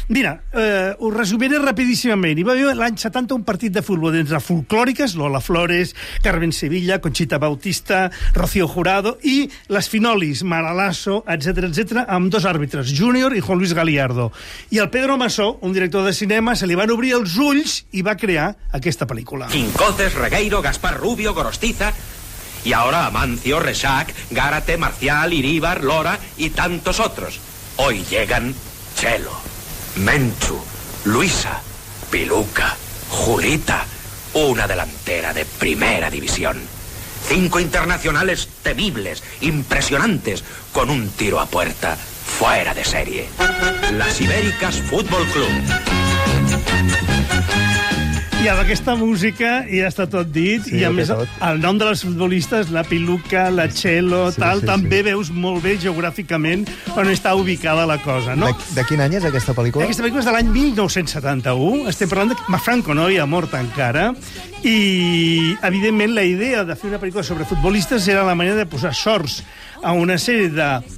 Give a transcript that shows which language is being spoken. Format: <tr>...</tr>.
<ca>Mira, ho resumiré rapidíssimament. Hi va haver l'any 70 un partit de futbol entre folclòriques, Lola Flores, Carmen Sevilla, Conchita Bautista, Rocío Jurado i les finolis, Maralasso, etcètera, etcètera, amb dos àrbitres, Júnior i Juan Luis Galiardo. I el Pedro Massó, un director de cinema, se li van obrir els ulls i va crear aquesta pel·lícula. Quincoces, Regueiro, Gaspar Rubio, Gorostiza...</ca> <es>Y ahora Amancio, Reshac, Gárate, Marcial, Iríbar, Lora y tantos otros. Hoy llegan Chelo, Menchu, Luisa, Piluca, Julita, una delantera de primera división. Cinco internacionales temibles, impresionantes, con un tiro a puerta fuera de serie. Las Ibéricas Fútbol Club.</es> <ca>I amb aquesta música ja està tot dit, sí, i a més el nom de les futbolistes, la Piluca, la Chelo, sí, tal, sí, també sí. Veus molt bé geogràficament on està ubicada la cosa, no? De quin any és aquesta pel·lícula? Aquesta pel·lícula és de l'any 1971, estem parlant de que Franco no havia mort encara, i evidentment la idea de fer una pel·lícula sobre futbolistes era la manera de posar sorts a una sèrie de...</ca>